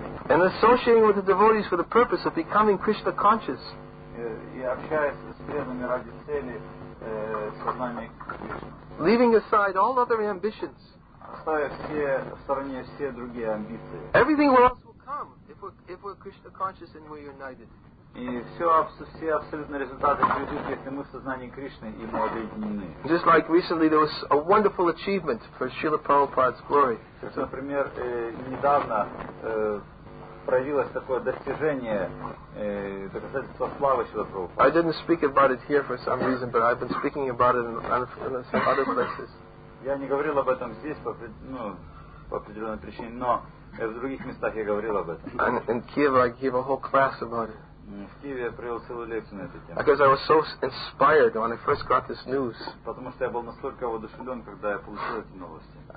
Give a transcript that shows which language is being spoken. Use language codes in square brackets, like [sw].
[en] And associating with the devotees for the purpose of becoming Krishna conscious. [ru] И общаясь с преданными ради цели сознания Кришны. [en] Leaving aside all other ambitions. [ru] Оставив все в стороне все другие амбиции. [en] Everything else will come if we're Krishna conscious and we're united. [ru] И все абсолютные результаты придут, если мы в сознании Кришны и мы объединены. [en] Just like recently there was a wonderful achievement for Srila Prabhupada's glory. [ru] Например, недавно проявилось такое достижение, доказательство славы Шрила Прабхупады. [en] I didn't speak about it here for some reason, but I've been speaking about it in some other places. [ru] Я не говорил об этом здесь по определенной причине, но в других местах я говорил об этом. [en] And in Kiev I gave a whole class about it. [ru] В Киеве я провел целую лекцию на эту тему. [en] Because I was so inspired when I first got this news. [ru] Потому что я был настолько воодушевлен, когда я получил эти новости.